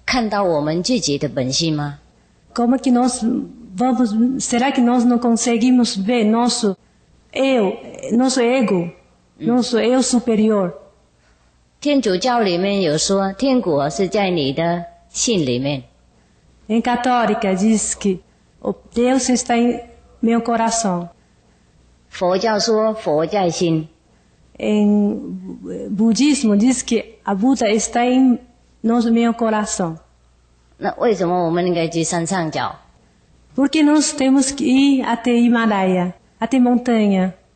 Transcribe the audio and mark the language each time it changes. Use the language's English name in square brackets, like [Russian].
[Chinese] 难道我们没办法看到我们自己的本性吗? [Portuguese] Como que nós vamos? Será que nós não conseguimos ver nosso eu, nosso ego, nosso eu superior? [Chinese] 天主教里面有说，天国是在你的心里面。 [Portuguese] Em católica diz que o Deus está em meu coração. [Chinese] 佛教说佛在心。 [Portuguese] Em budismo diz que a Buda está em meu coração. [Chinese] 那为什么我们应该去山上找？ [Portuguese] Porque nós temos que ir até Himalaia, até montanha.